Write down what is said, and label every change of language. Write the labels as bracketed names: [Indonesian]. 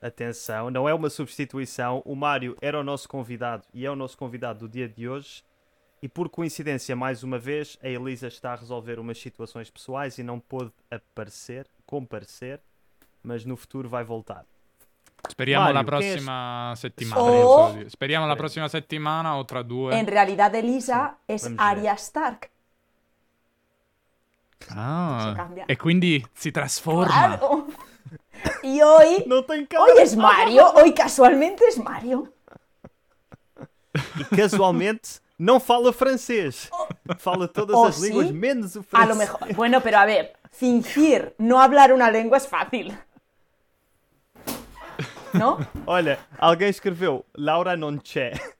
[Portuguese] Atenção, não é uma substituição. O Mário era o nosso convidado e é o nosso convidado do dia de hoje. E por coincidência, mais uma vez, a Elisa está a resolver umas situações pessoais e não pôde aparecer, comparecer, mas no futuro vai voltar. [Italian] Speriamo Mario, la prossima settimana. Speriamo la prossima settimana o tra due. In realtà Elisa è Arya Stark. Ah, e quindi si trasforma. [Portuguese] Claro. [Italian] E oggi è Mario, oggi casualmente è Mario. E casualmente non parla francese. Parla tutte le lingue, meno il francese. [Spanish] A lo mejor. Bueno, [Italian] però [Spanish] a ver, fingir [Italian] non parlare una lingua è facile. No? [Portuguese] Olha, alguém escreveu [Italian] Laura non c'è.